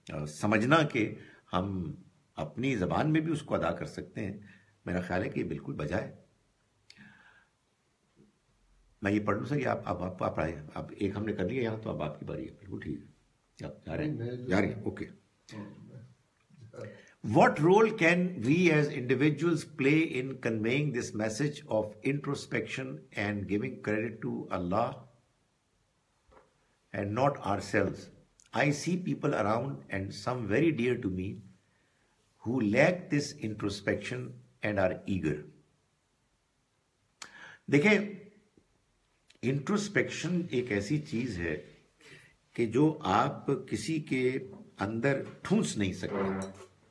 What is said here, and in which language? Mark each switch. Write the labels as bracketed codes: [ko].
[hi] समझना कि हम अपनी ज़बान में भी उसको अदा कर सकते हैं, मेरा ख्याल है कि ये बिल्कुल बजा है। मैं ये पढ़ लूँ सर, आप एक हमने कर लिया यहाँ, तो अब आपकी बारी है, बिल्कुल ठीक है, आप जा रहे हैं, जा रहे हैं, okay. [en] What role can we as individuals play in conveying this message of introspection and giving credit to Allah and not ourselves? I see people around and some very dear to me who lack this introspection and are eager. [hi] देखें, introspection एक ऐसी चीज है कि जो आप किसी के अंदर ठूंस नहीं सकते।